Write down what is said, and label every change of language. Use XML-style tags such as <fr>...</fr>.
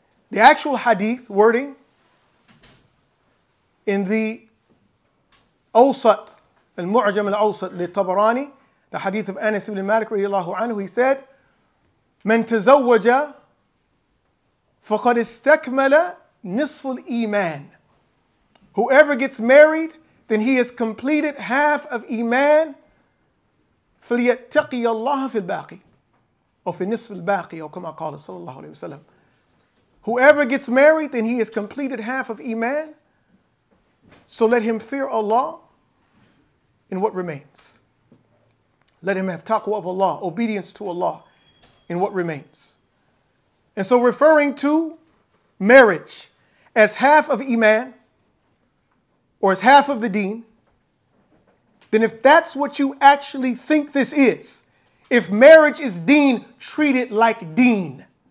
<en>The actual hadith wording in the Awsat, Al-Mu'jam Al-Awsat Li-Tabarani, the hadith of Anas ibn Malik radiallahu anhu, he said,</en> <ar>من تزوج فقد استكمل نصف الإيمان.</ar> <en>Whoever gets married, then he has completed half of Iman.</en> <ar>فليتقي الله في الباقي. Or في نصف الباقي, or كما قال صلى الله عليه وسلم.</ar> <en>Whoever gets married, then he has completed half of Iman. So let him fear Allah in what remains. Let him have taqwa of Allah, obedience to Allah, in what remains. And so referring to marriage as half of Iman, or as half of the deen, then if that's what you actually think this is, if marriage is deen, treat it like deen.</en>